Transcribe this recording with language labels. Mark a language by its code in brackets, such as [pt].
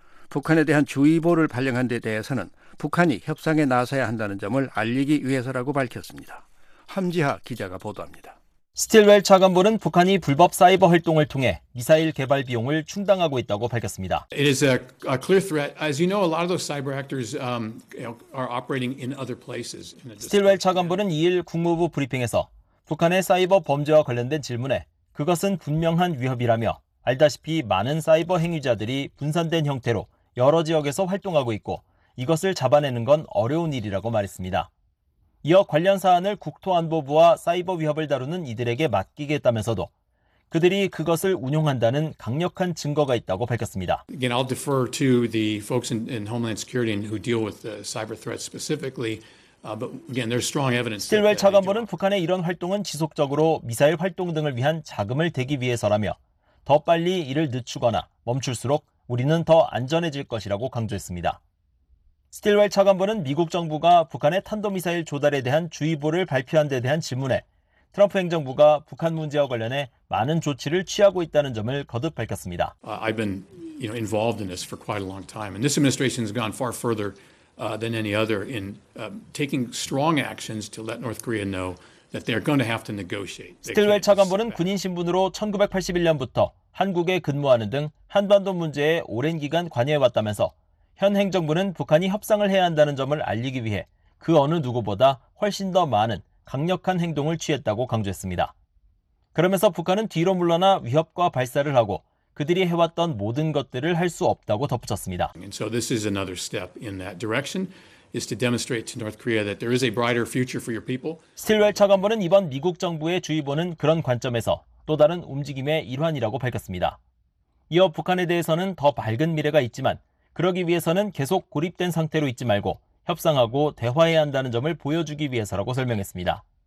[ko] 북한에 대한 주의보를 발령한 데 대해서는 북한이 협상에 나서야 한다는 점을 알리기 위해서라고 밝혔습니다. 함지하 기자가 보도합니다. 스틸웰 차관보는 북한이 불법 사이버 활동을 통해 미사일 개발 비용을 충당하고 있다고 밝혔습니다. [en] It is a clear threat. As you know, a lot of those cyber actors are operating in other places. [ko] 스틸웰 차관보는 2일 국무부 브리핑에서 북한의 사이버 범죄와 관련된 질문에 그것은 분명한 위협이라며 알다시피 많은 사이버 행위자들이 분산된 형태로 여러 지역에서 활동하고 있고 이것을 잡아내는 건 어려운 일이라고 말했습니다. 이어 관련 사안을 국토안보부와 사이버 위협을 다루는 이들에게 맡기겠다면서도 그들이 그것을 운용한다는 강력한 증거가 있다고 밝혔습니다. [en] Again, I'll defer to the folks in Homeland Security who deal with the cyber threat specifically. But again, there's strong evidence. [ko] 스틸웰 차관보는 북한의 이런 활동은 지속적으로 미사일 활동 등을 위한 자금을 대기 위해서라며 더 빨리 이를 늦추거나 멈출수록 우리는 더 안전해질 것이라고 강조했습니다. 스틸웰 차관보는 미국 정부가 북한의 탄도미사일 조달에 대한 주의보를 발표한 데 대한 질문에 트럼프 행정부가 북한 문제와 관련해 많은 조치를 취하고 있다는 점을 거듭 밝혔습니다. [en] I've been, you know, involved in this for quite a long time and this administration has gone far further than any other in taking strong actions to let North Korea know that they're going to have to negotiate. [ko] 스틸웰 차관보는 군인 신분으로 1981년부터 한국에 근무하는 등 한반도 문제에 오랜 기간 관여해 왔다면서 현 행정부는 북한이 협상을 해야 한다는 점을 알리기 위해 그 어느 누구보다 훨씬 더 많은 강력한 행동을 취했다고 강조했습니다. 그러면서 북한은 뒤로 물러나 위협과 발사를 하고 그들이 해왔던 모든 것들을 할 수 없다고 덧붙였습니다. [en] And so this is another step in that direction is to demonstrate to North Korea that there is a brighter future for your people. [ko] 스틸웰 차관보는 이번 미국 정부의 주의보는 그런 관점에서 또 다른 움직임의 일환이라고 밝혔습니다. 이어 북한에 대해서는 더 밝은 미래가 있지만 그러기 위해서는 계속 고립된 상태로 있지 말고 협상하고 대화해야 한다는 점을 보여주기 위해서라고 설명했습니다.